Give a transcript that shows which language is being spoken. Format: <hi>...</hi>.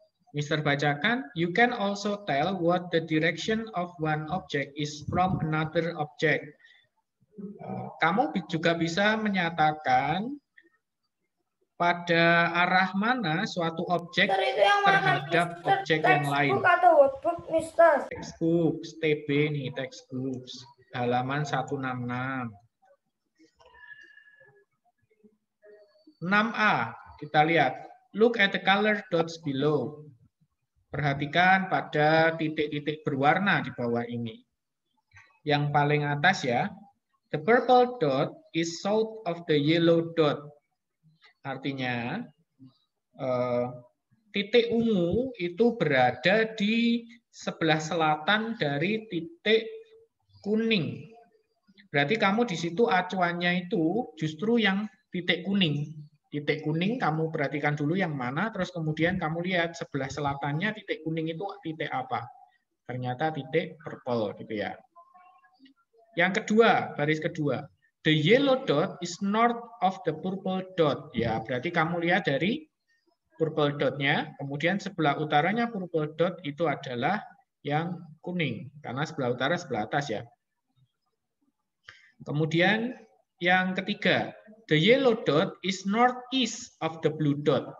<id>Mister bacakan,</id> <en>you can also tell what the direction of one object is from another object.</en> <id>Kamu juga bisa menyatakan pada arah mana suatu objek terhadap objek yang lain. Textbooks, TB nih, textbooks. Halaman 166.</id> <en>6A,</en> <id>kita lihat.</id> <en>Look at the color dots below.</en> <id>Perhatikan pada titik-titik berwarna di bawah ini. Yang paling atas ya.</id> <en>The purple dot is south of the yellow dot.</en> <id>Artinya, titik ungu itu berada di sebelah selatan dari titik kuning. Berarti kamu di situ acuannya itu justru yang titik kuning. Titik kuning kamu perhatikan dulu yang mana, terus kemudian kamu lihat sebelah selatannya titik kuning itu titik apa. Ternyata titik purple gitu ya. Yang kedua, baris kedua.</id> <en>The yellow dot is north of the purple dot.</en> <id>Ya, berarti kamu lihat dari purple dot-nya, kemudian sebelah utaranya purple dot itu adalah yang kuning. Karena sebelah utara sebelah atas ya. Kemudian yang ketiga,</id> <en>the yellow dot is northeast of the blue dot.</en>